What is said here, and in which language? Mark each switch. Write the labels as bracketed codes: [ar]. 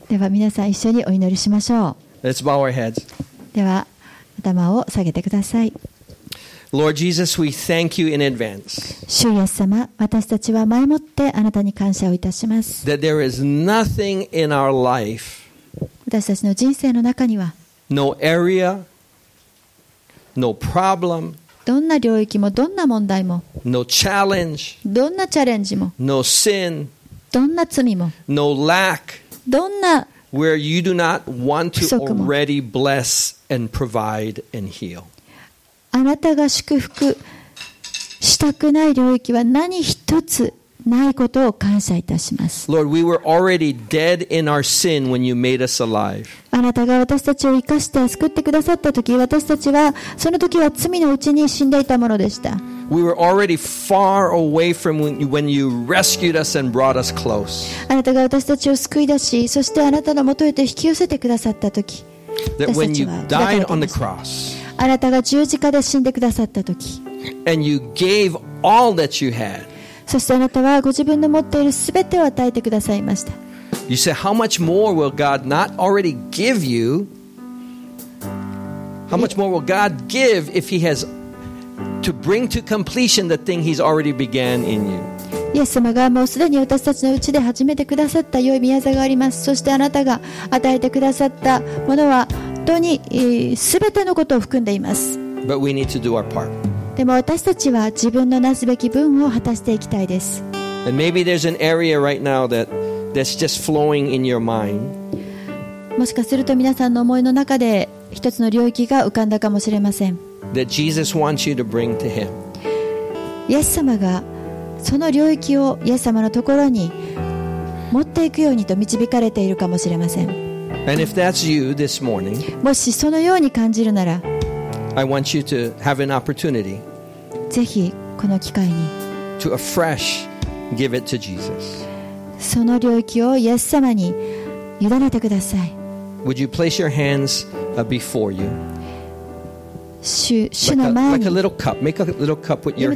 [ja] では皆さん一緒にお祈りしましょう。 [en] Let's bow our heads. [ja] では頭を下げてください。 [en] Lord Jesus, we thank you in advance. [ja] 主イエス様、私たちは前もってあなたに感謝をいたします。 [en] That there is nothing in our life. [ja] 私たちの人生の中には [en] no area, no problem, [ja] どんな領域もどんな問題も [en] no challenge, [ja] どんなチャレンジも [en] no sin, [ja] どんな罪も [en] no lack, [ja] どんな [en] where you do not want to already bless and provide and heal. [ja] あなたが祝福したくない領域は何一つないことを感謝いたします。 [en] Lord, we were already dead in our sin when you made us alive. [ja] あなたが私たちを生かして救ってくださった時、私たちはその時は罪のうちに死んでいたものでした。 [en] We were already far away from when you rescued us and brought us close. [ja] あなたが私たちを救い出し、そしてあなたの元へと引き寄せてくださった時、 [en] That when you died on the cross. [ja] あなたが十字架で死んでくださった時、 [en] And you gave all that you had. [ja] そしてあなたはご自分の持っているすべてを与えてくださいました。 [en] You say, how much more will God not already give you? How much more will God give if He has to bring to completion the thing He's already began in you? [ja] イエス様がもうすでに私たちのうちで始めてくださった良い御業があります。そしてあなたが与えてくださったものは本当にすべてのことを含んでいます。 [en] But we need to do our part. [ja] でも私たちは自分のなすべき分を果たしていきたいです。 [en] And maybe there's an area right now that's just flowing in your mind. [ja] もしかすると皆さんの思いの中で一つの領域が浮かんだかもしれません。 [en] That Jesus wants you to bring to him. [ja] イエス様がその領域をイエス様のところに持っていくようにと導かれているかもしれません。 [en] And if that's you this morning, [ja] もしそのように感じるなら、 [en] I want you to have an opportunity [ja] ぜひこの機会に [en] to afresh give it to Jesus. [ja] その領域をイエス様に委ねてください。 [en] Would you place your hands before you? [ja] 主の前に [en] like a little cup. Make a little cup with your hands.